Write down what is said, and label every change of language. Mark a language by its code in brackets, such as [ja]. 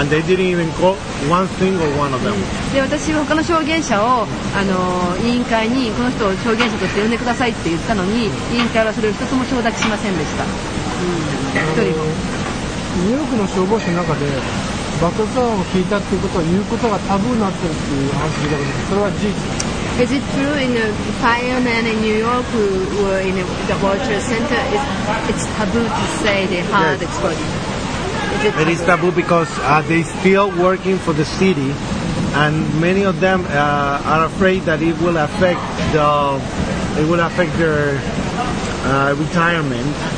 [en] and they didn't even call one single one of them. [ja] で私は他の証言者を委員会にこの人を証言者として呼んでくださいって言ったのに委員会はそれを一つも承諾しませんでした、 mm-hmm. 人もニューヨークの消防署の中で爆発音を聞いたっていうことは言うことがタブーになってるっていう話を聞いたことです。それは事実。 [en] Is it true in the firemen in New York who were in the World Trade Center, it's taboo to say they heard explosion? It is taboo because、they're still working for the city and many of them、are afraid that it will affect, their、retirement